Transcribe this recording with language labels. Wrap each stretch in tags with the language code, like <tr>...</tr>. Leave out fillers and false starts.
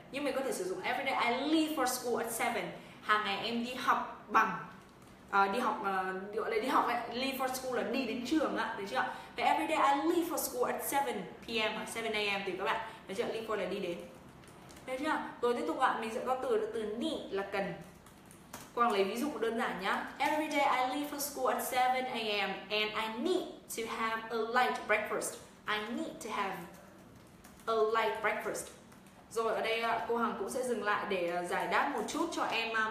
<vi>Nhưng mình có thể sử dụng</vi> <en>every day I leave for school at 7.</en> <vi>Hàng ngày em đi học bằng đi học ấy, leave for school là đi đến trường ạ, được chưa? Vậy</vi> <en>every day I leave for school at 7 p.m.</en> <vi>hoặc 7 a.m. thì các bạn, được chưa? Leave for là đi đến. Được chưa? Rồi tiếp tục ạ, mình sẽ có từ need là cần. Quang lấy ví dụ đơn giản nhá.</vi> <en>Every day I leave for school at 7 a.m. and I need to have a light breakfast. I need to have a light breakfast.</en> <vi>Rồi ở đây cô Hằng cũng sẽ dừng lại để giải đáp một chút cho em.</vi>